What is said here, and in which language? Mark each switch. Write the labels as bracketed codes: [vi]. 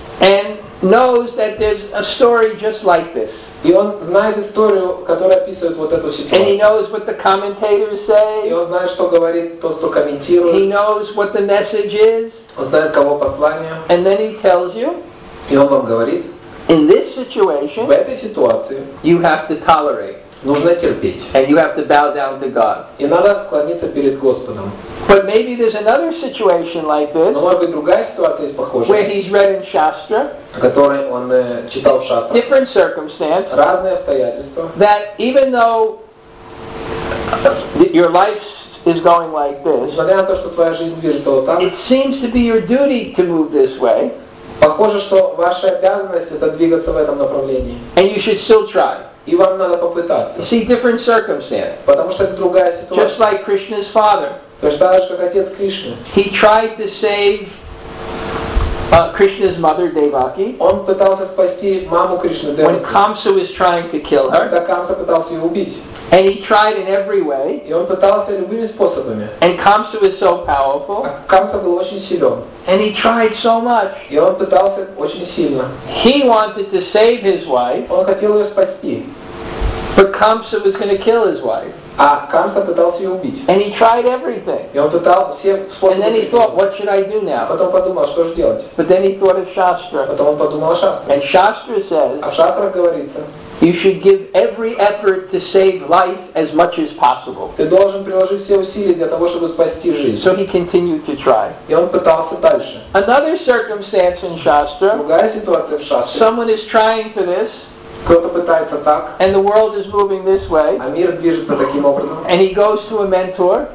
[en] and knows that there's a story just like this. [ru] И он знает историю, которая описывает вот эту ситуацию. [en] And he knows what the commentators say. [ru] И он знает, что говорит тот, кто комментирует. [en] He knows what the message is. [ru] Он знает, кого послание. [en] And then he tells you. [ru] И он вам говорит. [en] In this situation, [ru] в этой ситуации, [en] you have to tolerate. [ru] Нужно терпеть. [en] And you have to bow down to God. [ru] И надо склониться перед Господом. [en] But maybe there's another situation like this. [ru] Но может быть другая ситуация есть похожая. [en] Where he's read in Shastra. [ru] Который он читал в Шастрах. [en] Different circumstance. [ru] Разные обстоятельства. [en] That even though your life is going like this. [ru] Несмотря на то, что твоя жизнь движется вот так. [en] It seems to be your duty to move this way. [ru] Похоже, что ваша обязанность это двигаться в этом направлении. [en] And you should still try. [ru] И вам надо попытаться. [en] See, different circumstance. [ru] Потому что это другая ситуация. [en] Just like Krishna's father. [ru] Точно так же, как отец Кришны. [en] He tried to save Krishna's mother, Devaki. [ru] Он пытался спасти маму Кришны, Деваки. [en] When Kamsa was trying to kill her. [ru] Когда Камса пытался ее убить. [en] And he tried in every way. [ru] И он пытался любыми способами. [en] And Kamsa was so powerful. [ru] А Камса был очень силен. [en] And he tried so much. [ru] И он пытался очень сильно. [en] He wanted to save his wife. [ru] Он хотел ее спасти. [en] But Kamsa was going to kill his wife. [ru] А Камса пытался ее убить. [en] And he tried everything. [ru] И он пытался все способы. [en] And then he thought, what should I do now? [ru] Потом подумал, что же делать. [en] But then he thought of Shastra. [ru] Потом он подумал о Шастре. [en] And Shastra says. [ru] А Шастра говорится. [en] You should give every effort to save life as much as possible. [ru] Ты должен приложить все усилия для того, чтобы спасти жизнь. [en] So he continued to try. [ru] И он пытался дальше. [en] Another circumstance in Shastra. [ru] Другая ситуация в Шастре. [en] Someone is trying for this. [ru] Кто-то пытается так. [en] And the world is moving this way. [ru] А мир движется таким образом. [en] And he goes to a mentor.